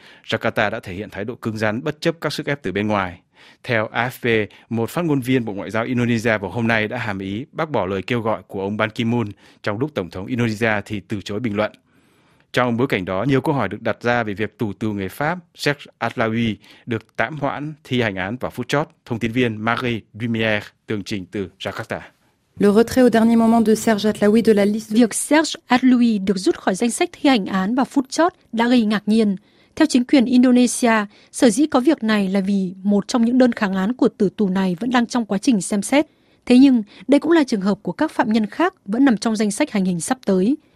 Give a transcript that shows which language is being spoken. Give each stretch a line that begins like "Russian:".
Vietnamese: Jakarta đã thể hiện thái độ cứng rắn bất chấp các sức ép từ bên ngoài. Theo AFP, một phát ngôn viên Bộ Ngoại giao Indonesia vào hôm nay đã hàm ý bác bỏ lời kêu gọi của ông Ban Ki-moon, trong lúc Tổng thống Indonesia thì từ chối bình luận. Trong bối cảnh đó, nhiều câu hỏi được đặt ra về việc tù tù người Pháp Serge Atlaoui được tạm hoãn thi hành án vào phút chót. Thông tin viên Marie Dumière tường trình từ Jakarta.
French: Le retrait au dernier moment de Serge Atlaoui de la liste.
Vietnamese: Việc Serge Atlaoui được rút khỏi danh sách thi hành án vào phút chót đã gây ngạc nhiên. Theo chính quyền Indonesia, sở dĩ có việc này là vì một trong những đơn kháng án của tử tù này vẫn đang trong quá trình xem xét. Thế nhưng, đây cũng là trường hợp của các phạm nhân khác vẫn nằm trong danh sách hành hình sắp tới.